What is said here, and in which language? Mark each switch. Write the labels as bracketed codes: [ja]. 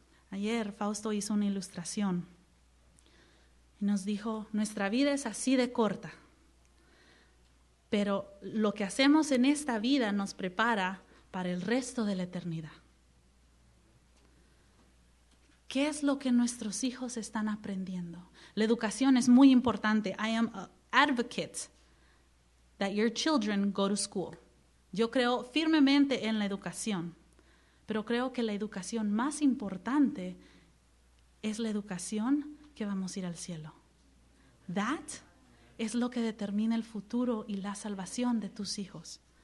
[es] Ayer Fausto hizo una ilustración y nos dijo, nuestra vida es así de corta, pero lo que hacemos en esta vida nos prepara para el resto de la eternidad. ¿Qué es lo que nuestros hijos están aprendiendo? La educación es muy importante. [en] I am an advocate that your children go to school. [es] Yo creo firmemente en la educación, pero creo que la educación más importante es la educación que vamos a ir al cielo. That es lo que determina el futuro y la salvación de tus hijos.